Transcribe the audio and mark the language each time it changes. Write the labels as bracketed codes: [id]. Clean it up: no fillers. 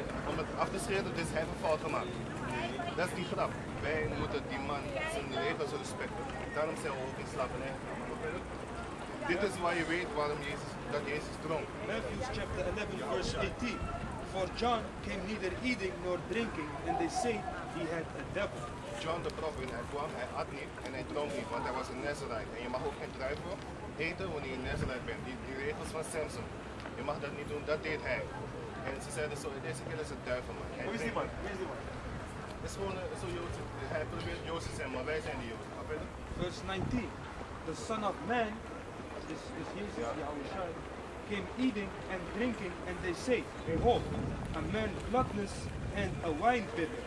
[nl] om het af te scheren, dus hij heeft een fout gemaakt. Dat is die grap. Wij moeten die man zijn leven zo respecten. Daarom zijn we ook in slavernij gegaan. Dit is waar je weet waarom Jezus, dat Jezus dronk. [en] Matthew chapter 11, verse 18. For John came neither eating nor drinking, and they say he had a devil. [nl] John de prophet, hij kwam, hij at niet en hij dronk niet, want hij was een Nazarite. En je mag ook geen druiven eten wanneer je een Nazarite bent. Die regels van Samson. Je mag dat niet doen, dat deed hij. En ze zeiden zo, deze keer is het duivel, man. Hoe is die man? Hoe is die man? Het is gewoon zo Joods. Hij probeert Joods te zijn, maar wij zijn de Joods. Vers 19. [en] The Son of Man, [nl] is Jezus, die oude schaar, [en] came eating and drinking, and they say, behold, a man gluttonous and a wine bibber.